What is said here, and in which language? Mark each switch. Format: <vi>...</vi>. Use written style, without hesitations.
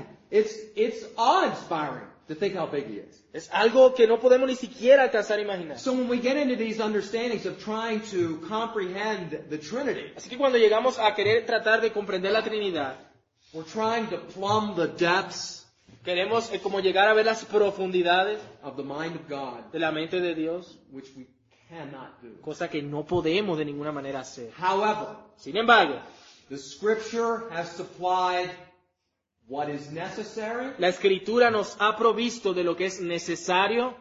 <en>It's awe-inspiring to think how big he is.</en> <es>Es algo que no podemos ni siquiera alcanzar a imaginar.</es> <en>So when we get into these understandings of trying to comprehend the Trinity,</en> <es>así que cuando llegamos a querer tratar de comprender la Trinidad,</es> <en>we're trying to plumb the depths.</en> <es>Queremos como llegar a ver las profundidades</es> <en>of the mind of God,</en> <es>de la mente de Dios,</es> <en>which we cannot do.</en> <es>Cosa que no podemos de ninguna manera hacer.</es> <en>However,</en> <es>sin embargo.</es> <en>The Scripture has supplied what is necessary.</en> <es>La Escritura nos ha provisto de lo que es necesario</es>